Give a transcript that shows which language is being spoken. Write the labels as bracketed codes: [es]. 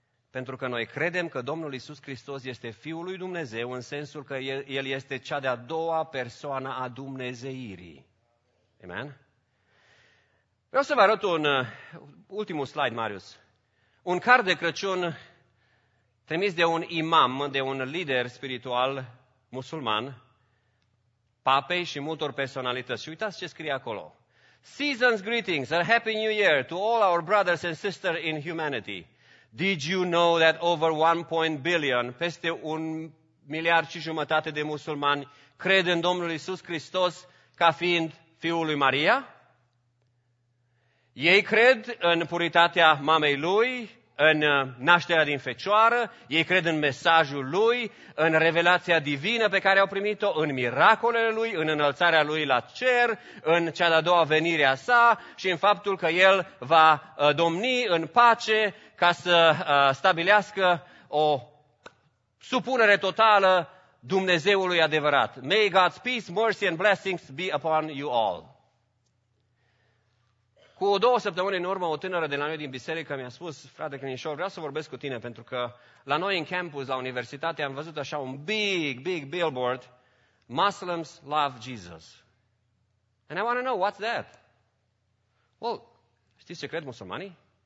[ro] Pentru că noi credem că Domnul Iisus Hristos este Fiul lui Dumnezeu, în sensul că El este cea de-a doua persoană a dumnezeirii. Amen? Vreau să vă arăt un ultimul slide, Marius. Un card de Crăciun trimis de un imam, de un lider spiritual musulman, papei și multor personalități. Și uitați ce scrie acolo. [en] Season's greetings, a happy new year to all our brothers and sisters in humanity. Did you know that over 1.1 billion, [ro] peste 1,5 miliarde de musulmani, cred în Domnul Iisus Hristos ca fiind Fiul lui Maria? Ei cred în puritatea mamei lui, în nașterea din Fecioară, ei cred în mesajul lui, în revelația divină pe care au primit-o, în miracolele lui, în înălțarea lui la cer, în cea de-a doua venire a sa și în faptul că el va domni în pace ca să stabilească o supunere totală Dumnezeului adevărat. [en] May God's peace, mercy and blessings be upon you all. [ro] Cu două săptămâni în urmă, o tânără de la noi din biserică mi-a spus: frate Crinișor, vreau să vorbesc cu tine, pentru că la noi în campus, la universitate, am văzut așa un [en] big, big billboard: Muslims love Jesus. And I want to know, what's that? Well, [ro] știți ce cred musulmanii?